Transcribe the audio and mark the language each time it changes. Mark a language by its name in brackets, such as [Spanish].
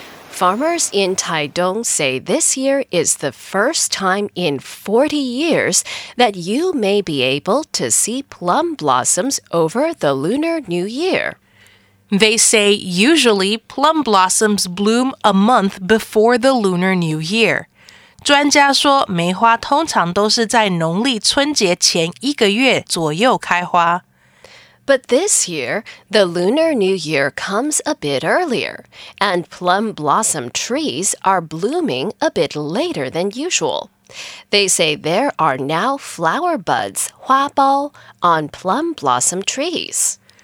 [English] Farmers in Taidong say this year is the first time in 40 years that you may be able to see plum blossoms over the Lunar New Year. They say usually plum blossoms bloom a month before the Lunar New Year. [Chinese] 专家说梅花通常都是在农历春节前一个月左右开花。 [English] But this year, the Lunar New Year comes a bit earlier, and plum blossom trees are blooming a bit later than usual. They say there are now flower buds, 花苞, on plum blossom trees.